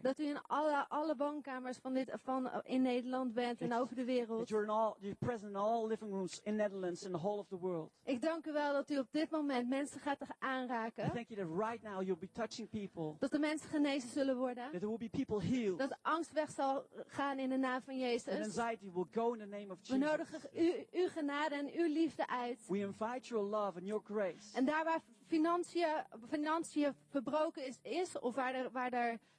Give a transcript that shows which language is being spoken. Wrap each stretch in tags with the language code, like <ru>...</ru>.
<nl>Dat u in alle woonkamers in Nederland bent en over de wereld.</nl> <en>That you're present in all living rooms in Netherlands in the whole of the world.</en> <nl>Ik dank u wel dat u op dit moment mensen gaat aanraken.</nl> <en>I thank you that right now you'll be touching people.</en> <nl>Dat de mensen genezen zullen worden.</nl> <en>That there will be people healed.</en> <nl>Dat angst weg zal gaan in de naam van Jezus.</nl> <en>And anxiety will go in the name of Jesus.</en> <nl>We nodigen uw genade en uw liefde uit.</nl> <en>We invite your love and your grace.</en> <nl>En daar waar financiën verbroken is of waar er</nl>